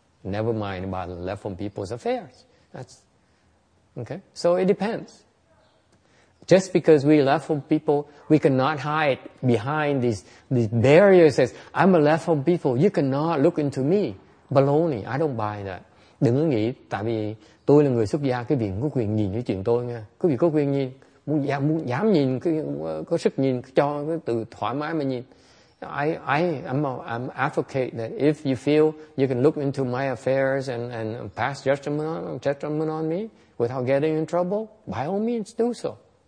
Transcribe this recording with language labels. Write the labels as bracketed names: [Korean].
[English] Never mind about left home people's affairs. That's okay. So it depends. Just because we left home people, we cannot hide behind these barriers. As I'm a left home people, you cannot look into me. Baloney. I don't buy that. [Vietnamese] Đừng có nghĩ tại vì tôi là người xuất gia, cái việc có quyền nhìn cái chuyện tôi nha. Quý vị có quyền nhìn, muốn dám nhìn, có sức nhìn, cho tự thoải mái mà nhìn. [English] I'm advocate that if you feel you can look into my affairs and pass judgment on me without getting in trouble, by all means do so.